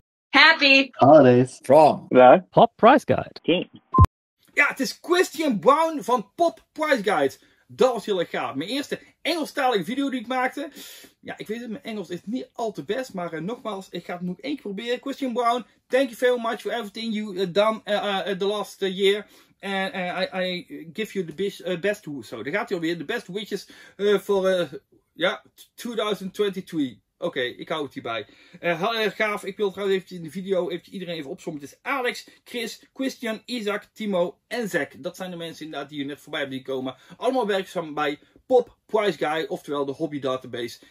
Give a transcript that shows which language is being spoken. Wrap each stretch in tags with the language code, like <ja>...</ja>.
<en>Happy Holidays from the Pop Price Guide team.</en> <nl>Ja, het is Christian Brown van Pop Price Guide. Dat was heel erg gaaf. Mijn eerste Engelstalige video die ik maakte. Ja, ik weet het, mijn Engels is niet al te best. Maar nogmaals, ik ga het nog één keer proberen.</nl> <en>Christian Brown, thank you very much for everything you done the last year. And I give you the best wishes.</en> <nl>So, daar gaat hij alweer.</nl> <en>The best wishes for 2023.</en> <nl>Oké, ik hou het hierbij. Heel erg gaaf. Ik wil trouwens eventjes in de video eventjes iedereen even opzommen. Het is Alex, Chris, Christian, Isaac, Timo en Zach. Dat zijn de mensen inderdaad die hier net voorbij hebben gekomen. Allemaal werkzaam bij Pop Price Guy, oftewel de Hobby Database.</nl>